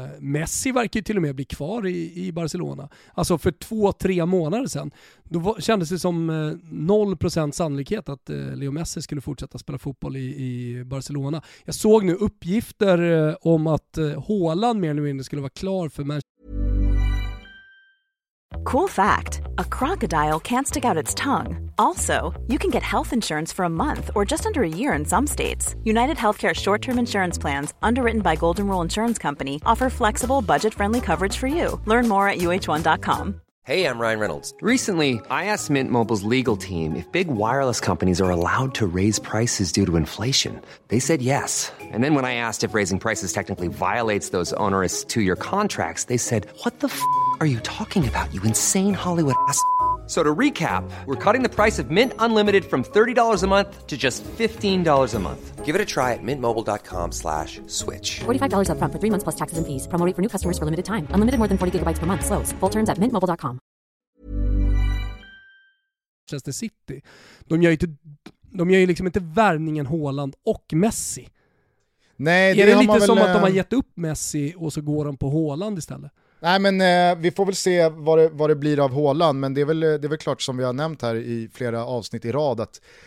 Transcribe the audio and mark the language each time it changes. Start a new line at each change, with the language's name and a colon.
Swedish: Messi verkar ju till och med bli kvar i Barcelona. Alltså för 2-3 månader sedan. Då kändes det som 0% sannolikhet att Leo Messi skulle fortsätta spela fotboll i Barcelona. Jag såg nu uppgifter om att Haaland mer eller mindre skulle vara klar för Manchester.
English: Cool fact, a crocodile can't stick out its tongue. Also, you can get health insurance for a month or just under a year in some states. United Healthcare short-term insurance plans, underwritten by Golden Rule Insurance Company, offer flexible, budget-friendly coverage for you. Learn more at uh1.com. Hey, I'm Ryan Reynolds. Recently, I asked Mint Mobile's legal team if big wireless companies are allowed to raise prices due to inflation. They said yes. And then when I asked if raising prices technically violates those onerous two-year contracts, they said, what the f*** are you talking about, you insane Hollywood ass f***? So to recap, we're cutting the price of Mint Unlimited from $30 a month to just $15 a month. Give it a try at mintmobile.com/switch. $45 up front for 3 months plus taxes and fees. Promo rate for new customers for limited time. Unlimited more than 40 gigabytes per month. Slows full terms at mintmobile.com.
Swedish: Manchester City. De gör ju liksom inte värvningen Haaland och Messi. Nej, det är det lite som att de har gett upp Messi och så går de på Haaland istället. Nej, men vi får väl se vad det blir av Haaland, men det är väl klart som vi har nämnt här i flera avsnitt i rad att